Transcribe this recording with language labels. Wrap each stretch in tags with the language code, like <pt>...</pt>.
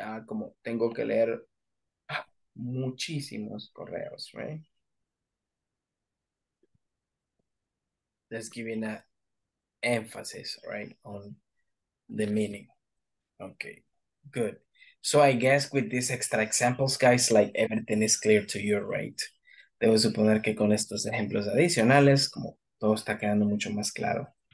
<es>Ah, como tengo que leer muchísimos correos, right?</es> <en>Just giving an emphasis, right, on the meaning. Okay, good. So I guess with these extra examples, guys, like everything is clear to you, right?</en> <es>Debo suponer que con estos ejemplos adicionales, como todo está quedando mucho más claro.</es>